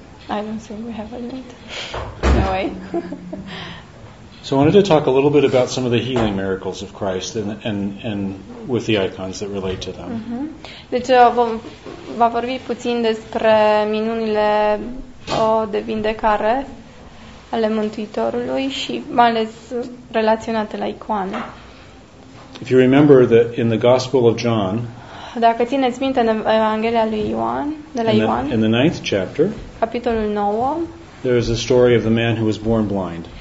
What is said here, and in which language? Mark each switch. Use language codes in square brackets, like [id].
[en] I don't think we have a minute. No way. So I wanted to talk a little bit about some of the healing miracles of Christ and with the icons that relate to them. Mm-hmm. [ro] Deci, va vorbi puțin despre minunile de vindecare ale Mântuitorului și mai ales relaționate la icoane. [en] If you remember that in the Gospel of John, [ro] dacă țineți minte în Evanghelia lui Ioan, de la Ioan, [en] in the ninth chapter, [ro] capitolul 9, [en] there is a story of the man who was born blind.